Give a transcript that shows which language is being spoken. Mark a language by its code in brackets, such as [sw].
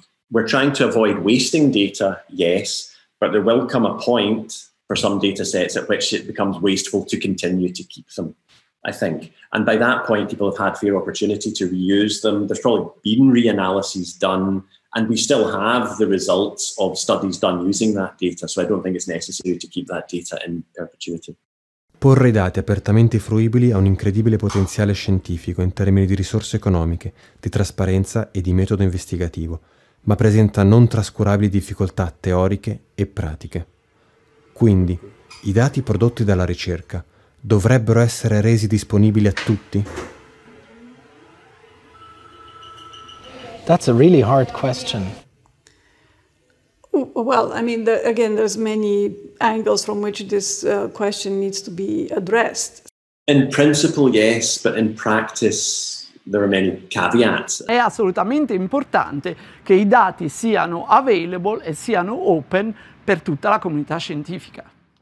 [en] We're trying to avoid wasting data, yes, but there will come a point for some data sets at which it becomes wasteful to continue to keep them, I think. And by that point, people have had fair opportunity to reuse them. There's probably been reanalyses done, and we still have the results of studies done using that data. So I don't think it's necessary to keep that data in perpetuity. [it] Porre i dati apertamente fruibili ha un incredibile potenziale scientifico in termini di risorse economiche, di trasparenza e di metodo investigativo, ma presenta non trascurabili difficoltà teoriche e pratiche. Quindi, i dati prodotti dalla ricerca dovrebbero essere resi disponibili a tutti? [en] That's a really hard question. Well, I mean, again, there's many angles from which this question needs to be addressed. In principle, yes, but in practice there are many caveats. [it] È assolutamente importante che i dati siano available e siano open per tutta la comunità scientifica.